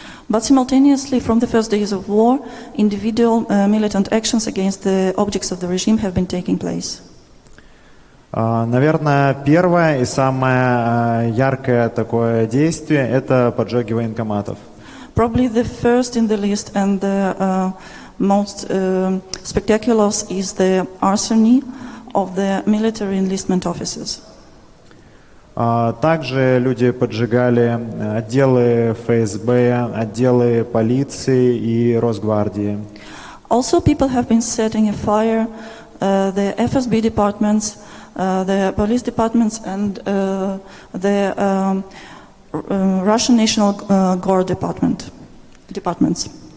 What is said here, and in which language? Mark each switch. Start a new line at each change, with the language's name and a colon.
English: But simultaneously, from the first days of war, individual militant actions against the objects of the regime have been taking place.
Russian: Наверное, первое и самое яркое такое действие – это поджоги военкоматов.
English: Probably the first in the list and the most spectacular is the arsony of the military enlistment offices.
Russian: Также люди поджигали отделы ФСБ, отделы полиции и Росгвардии.
English: Also people have been setting a fire the FSB departments, the police departments and the Russian National Guard departments.